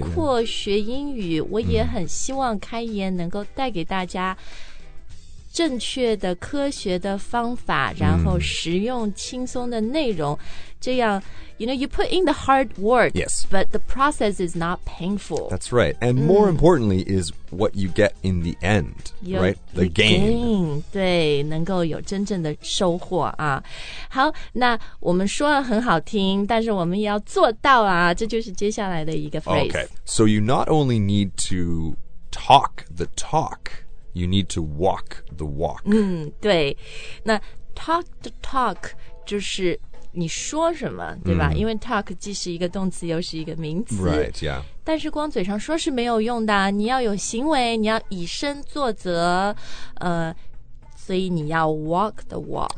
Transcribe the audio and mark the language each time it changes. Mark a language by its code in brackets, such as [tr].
[zh] 包括学英语、我也很希望开言能够带给大家正确的科学的方法、然后实用轻松的内容。这样 [en] you know, you put in the hard work, yes. but the process is not painful. That's right. And more importantly is what you get in the end, right? The gain. [zh] 对，能够有真正的收获啊。好，那我们说了很好听，但是我们也要做到啊，这就是接下来的一个 phrase. [en] Okay, so you not only need to talk the talk, you need to walk the walk. [zh] 对，那 talk the talk 就是你说什么对吧、因为 talk 既是一个动词又是一个名词 [en] right, yeah. [zh] 但是光嘴上说是没有用的你要有行为你要以身作则、所以你要 walk the walk